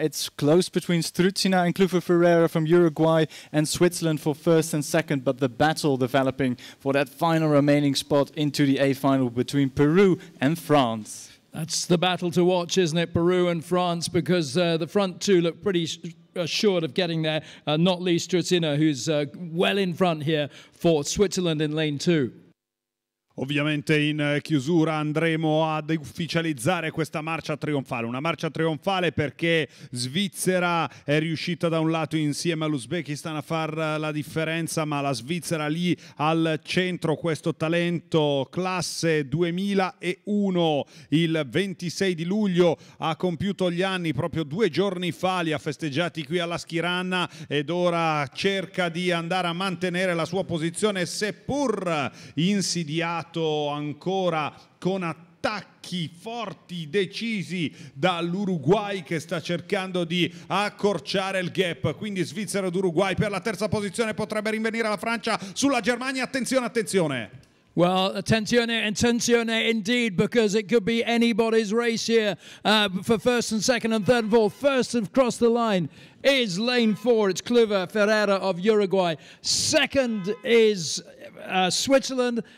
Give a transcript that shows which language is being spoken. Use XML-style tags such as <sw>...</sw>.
<en>It's close between Struzzina and Clufo Ferreira from Uruguay and Switzerland for first and second, but the battle developing for that final remaining spot into the A final between Peru and France. That's the battle to watch, isn't it? Peru and France, because the front two look pretty assured of getting there, not least Struzzina, who's well in front here for Switzerland in lane two.</en> <it>Ovviamente in chiusura andremo ad ufficializzare questa marcia trionfale, una marcia trionfale perché Svizzera è riuscita da un lato insieme all'Uzbekistan a far la differenza, ma la Svizzera lì al centro, questo talento classe 2001, il 26 di luglio ha compiuto gli anni, proprio due giorni fa li ha festeggiati qui alla Schirana ed ora cerca di andare a mantenere la sua posizione seppur insidiata ancora con attacchi forti, decisi dall'Uruguay che sta cercando di accorciare il gap. Quindi Svizzera ed Uruguay per la terza posizione, potrebbe rinvenire la Francia sulla Germania. Attenzione, attenzione.</it> <en>Well,</en> <it>attenzione, attenzione</it> <en>indeed, because it could be anybody's race here for first and second and third and fourth. First across the line is lane four. It's Clover Ferreira of Uruguay. Second is Switzerland.</en>